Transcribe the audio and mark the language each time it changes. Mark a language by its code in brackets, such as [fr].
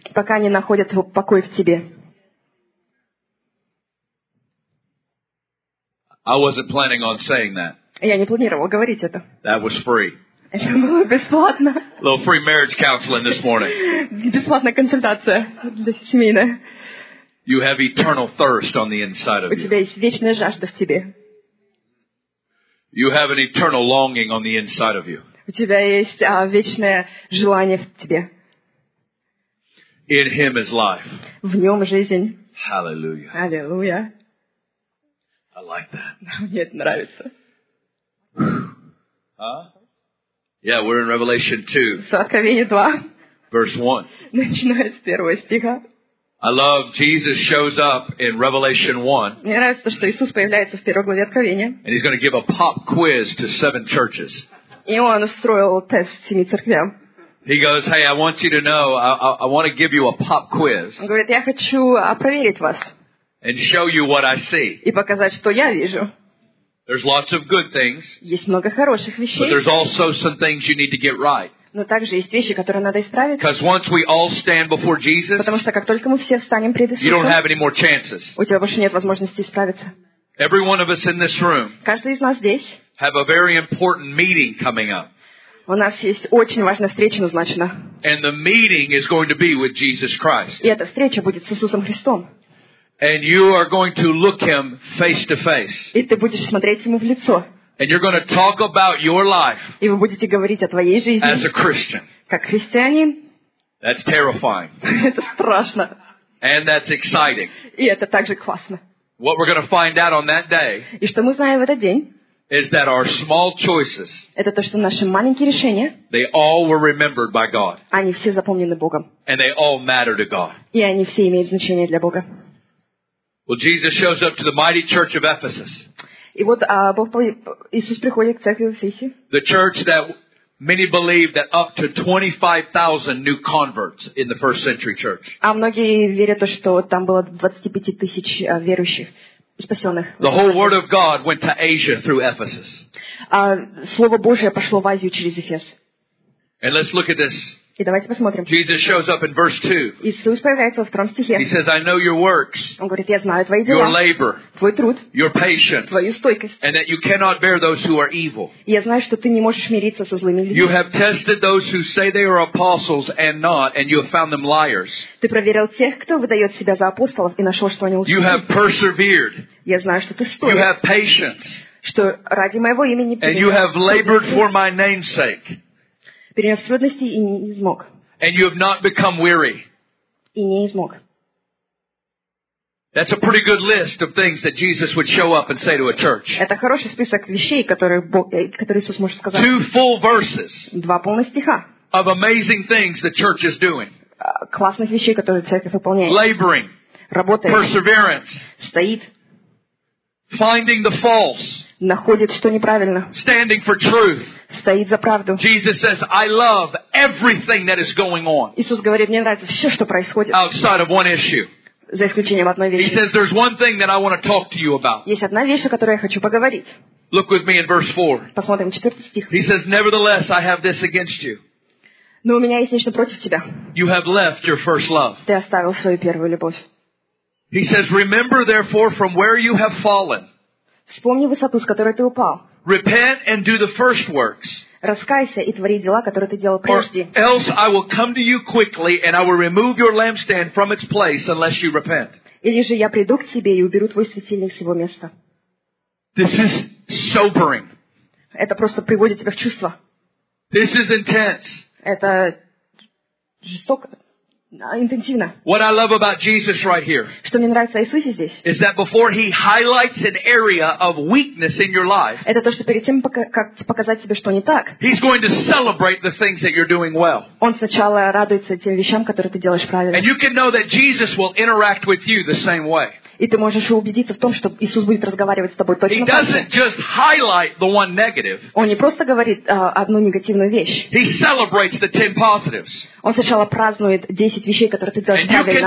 [ru] Пока они находят покой в тебе. [en] I wasn't planning on saying that. [ru] Я не планировал говорить это. [en] That was free. [ru] Это было бесплатно. [en] A little free marriage counseling this morning. [ru] Бесплатная консультация для семейная. [en] You have eternal thirst on the inside of you. [ru] У тебя есть вечная жажда в тебе. [en] You have an eternal longing on the inside of you. [ru] У тебя есть вечное желание в тебе. [en] In him is life. [ru] В нем жизнь. [en] Hallelujah. [ru] Hallelujah. [en] I like that. [ru] Мне это нравится. [en] Yeah, we're in Revelation 2. [ru] С Откровения 2. [en] Verse 1. [ru] Начиная с первого стиха. [en] I love Jesus shows up in Revelation 1. [ru] Мне нравится то, что Иисус появляется в первой главе Откровения. [en] And he's going to give a pop quiz to seven churches. [ru] И он устроил тест семи церквям. [en] He goes, "Hey, I want you to know, I want to give you a pop quiz." [ru] Он говорит, я хочу проверить вас. [en] And show you what I see. [ru] И показать, что я вижу. [en] There's lots of good things. [ru] Есть много хороших вещей. [en] But there's also some things you need to get right. [ru] Но также есть вещи, которые надо исправить. [en] Because once we all stand before Jesus, [ru] потому что как только мы все встанем пред Иисусом, [en] you don't have any more chances. [ru] У тебя больше нет возможности исправиться. [en] Every one of us in this room, [ru] каждый из нас здесь, [en] have a very important meeting coming up. [ru] У нас есть очень важная встреча назначена. [en] And the meeting is going to be with Jesus Christ. [ru] И эта встреча будет с Иисусом Христом. [en] And you are going to look him face to face. [ru] И ты будешь смотреть ему в лицо. [en] And you're going to talk about your life. [ru] И вы будете говорить о твоей жизни. [en] As a Christian. [ru] Как христианин. [en] That's terrifying. [ru] Это страшно. [en] And that's exciting. [ru] И это также классно. [en] What we're going to find out on that day. [ru] И что мы знаем в этот день? [en] Is that our small choices? [ru] Это то, что наши маленькие решения. [en] They all were remembered by God. [ru] Они все запомнены Богом. [en] And they all matter to God. [ru] И они все имеют значение для Бога. [en] Well, Jesus shows up to the mighty church of Ephesus. [ru] И вот Бог Иисус приходит к церкви в Эфесе. [en] The church that many believe that up to 25,000 new converts in the first century church. [ru] А многие верят, что там было 25 тысяч верующих. [en] The whole word of God went to Asia through Ephesus. [ru] Слово Божье пошло в Азию через Эфес. [en] And let's look at this. [ru] И давайте посмотрим. [en] Jesus shows up in verse 2. [ru] Иисус появляется во втором стихе. [en] He says, "I know your works." [ru] Он говорит, я знаю твои дела. [en] Your labor. [ru] Твой труд. [en] Your patience. [ru] Твою стойкость. [en] And that you cannot bear those who are evil. [ru] Я знаю, что ты не можешь мириться со злыми людьми. [en] You have tested those who say they are apostles and not, and you have found them liars. [ru] Ты проверил тех, кто выдает себя за апостолов, и нашел, что они лжецы. [en] You have persevered. [ru] Я знаю, что ты стоек. [en] You have patience. [ru] Что ради моего имени. [en] And you have labored for my namesake. [ru] Перенес трудности и не измог. [en] And you have not become weary. [ru] И не измог. [en] That's a pretty good list of things that Jesus would show up and say to a church. [ru] Это хороший список вещей, которые Иисус может сказать. [en] Two full verses. [ru] Два полных стиха. [en] Of amazing things the church is doing. [ru] Классных вещей, которые церковь выполняет. [en] Laboring. [ru] Работает. [en] Perseverance. [ru] Стоит. [en] Finding the false. [ru] Находит, что неправильно. [en] Standing for truth. [ru] Стоит за правду. [en] Jesus says, "I love everything that is going on." [ru] Иисус говорит, мне нравится все, что происходит. [en] Outside of one issue. [ru] За исключением одной вещи. [en] He says, "There's one thing that I want to talk to you about." [ru] Есть одна вещь, о которой я хочу поговорить. [en] Look with me in verse 4. [ru] Посмотрим четвертый стих. [en] He says, "Nevertheless, I have this against you." [ru] Но у меня есть нечто против тебя. [en] You have left your first love. [ru] Ты оставил свою первую любовь. [en] He says, "Remember, therefore, from where you have fallen." [ru] Вспомни высоту, с которой ты упал. [en] Repent and do the first works. [ru] Раскайся и твори дела, которые ты делал прежде. [en] Or else I will come to you quickly and I will remove your lampstand from its place unless you repent. [ru] Или же я приду к тебе и уберу твой светильник с его места. [en] This is sobering. [ru] Это просто приводит тебя в чувство. [en] This is intense. [ru] Это жестоко. Интенсивно. [en] What I love about Jesus right here. [ru] Что мне нравится о Иисусе здесь. [en] Is that before he highlights an area of weakness in your life. [ru] Это то, что перед тем, как показать тебе, что не так. [en] He's going to celebrate the things that you're doing well. [ru] Он сначала радуется тем вещам, которые ты делаешь правильно. [en] And you can know that Jesus will interact with you the same way. [ru] и ты можешь убедиться в том, что Иисус будет разговаривать с тобой точно так же. [en] He doesn't just highlight the one negative. [ru] Он не просто говорит одну негативную вещь. [en] He celebrates the 10 positives. [ru] Он сначала празднует 10 вещей, которые ты делаешь правильно.